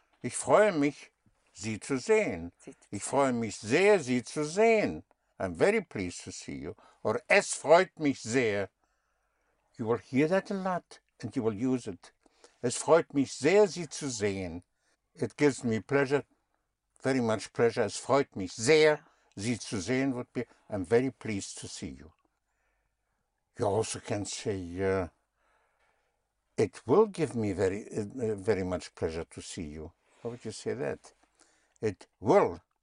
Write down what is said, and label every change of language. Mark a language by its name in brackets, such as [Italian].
[German] Ich freue mich, Sie zu sehen. Ich freue mich sehr, Sie zu sehen. [English] I'm very pleased to see you. Or [German] es freut mich sehr. [English] You will hear that a lot and you will use it. [German] Es freut mich sehr, Sie zu sehen. [English] It gives me pleasure, very much pleasure. [German] Es freut mich sehr. Sie zu sehen [English] would be, I'm very pleased to see you. You also can say, it will give me very much pleasure to see you. How would you say that? It will